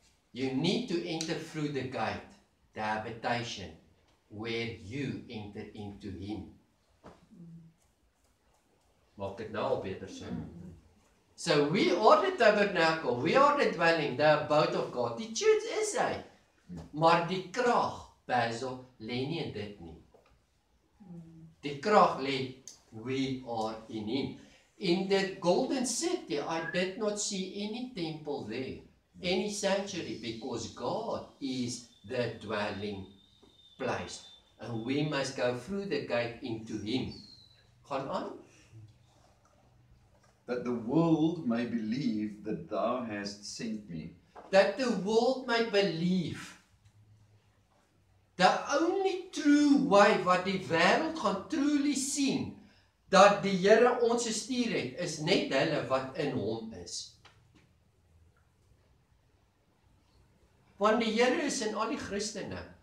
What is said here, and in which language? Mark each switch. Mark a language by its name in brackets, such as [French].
[English] You need to enter through the gate, the habitation, where you enter into him. [Afrikaans] Maak dit nou al beter so. [English] So we are the tabernacle, we are the dwelling, the abode of God. [Afrikaans] Die church is hy. Maar die krag, Basil, lê nie in dit nie. Die krag lê, [English] we are in him. In the golden city, I did not see any temple there. Any sanctuary, because God is the dwelling place. And we must go through the gate into him. [Afrikaans] Gaan aan. [English] That the world may believe that thou hast sent me. That the world may believe. The only true way [Afrikaans] wat die wêreld gaan truly sien, dat die Here ons gestuur het, is net hulle wat in hom is. Want die Here is in al die Christene.